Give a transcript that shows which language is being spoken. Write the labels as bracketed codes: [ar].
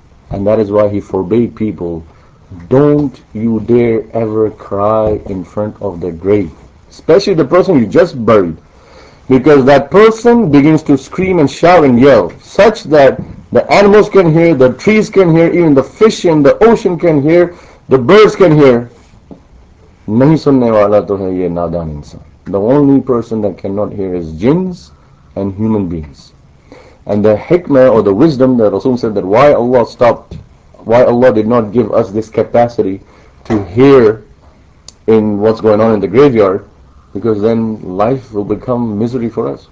[en] And that is why he forbade people, don't you dare ever cry in front of the grave. Especially the person you just buried. Because that person begins to scream and shout and yell, such that the animals can hear, the trees can hear, even the fish in the ocean can hear, the birds can hear. [ur] نہیں سننے والا تو ہے یہ نادان انسان. [en] The only person that cannot hear is jinns and human beings. And the hikmah or the wisdom that Rasul said, that why Allah stopped, why Allah did not give us this capacity to hear in what's going on in the graveyard, because then life will become misery for us.